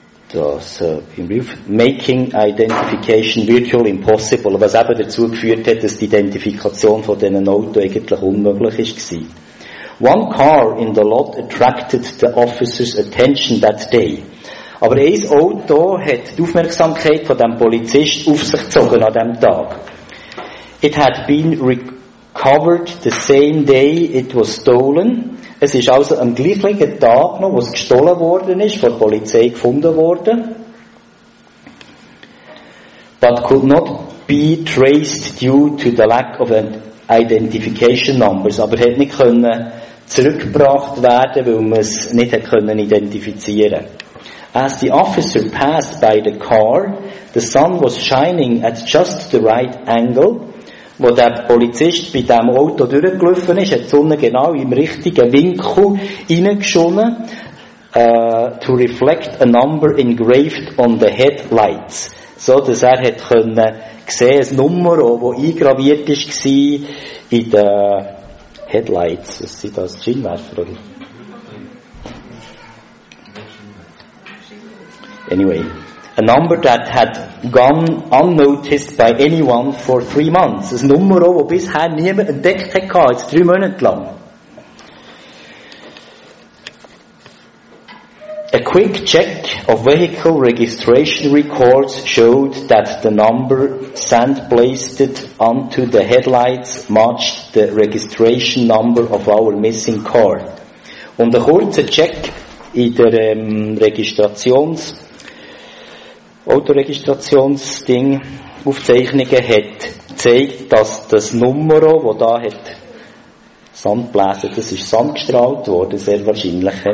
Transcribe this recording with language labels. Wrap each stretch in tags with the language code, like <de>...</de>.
<en>Making identification virtually impossible,</en> <de>was eben dazu geführt hat, dass die Identifikation von diesen Autos eigentlich unmöglich ist.</de> <en>One car in the lot attracted the officer's attention that day.</en> <de>Aber ein Auto hat die Aufmerksamkeit von dem Polizist auf sich gezogen an dem Tag.</de> <en>It had been recovered the same day it was stolen.</en> <de>Es ist also am gleichen Tag noch, wo es gestohlen worden ist, von der Polizei gefunden worden.</de> <en>But could not be traced due to the lack of identification numbers.</en> <de>Aber hätte nicht können zurückgebracht werden, weil man es nicht hätte können identifizieren.</de> <en>As the officer passed by the car, the sun was shining at just the right angle.</en> <de>Wo der Polizist bei diesem Auto durchgelaufen ist, hat die Sonne genau im richtigen Winkel hineingeschonen,</de> <en>to reflect a number engraved on the headlights.</en> <de>So, dass er hat können sehen, ein Nummer, wo eingraviert ist, war in den Headlights. Was sind das? Scheinwerfer, oder?</de> <en>Anyway. A number that had gone unnoticed by anyone for 3 months.</en> <de>Ein Nummer, das bisher niemand entdeckt hat, jetzt 3 Monate lang.</de> <en>A quick check of vehicle registration records showed that the number sandblasted onto the headlights matched the registration number of our missing car.</en> <de>Und ein kurzer Check in der Autoregistrationsding Aufzeichnungen hat zeigt, dass das Nummer, wo da hat sandblasen, das ist sandgestrahlt worden, sehr wahrscheinlich.</de>